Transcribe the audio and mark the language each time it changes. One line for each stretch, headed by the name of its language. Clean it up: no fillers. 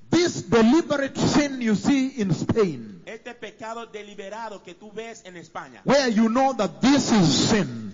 English: This deliberate sin you see in Spain.
Spanish: Este pecado deliberado que tú ves en España.
English: Where you know that this is sin.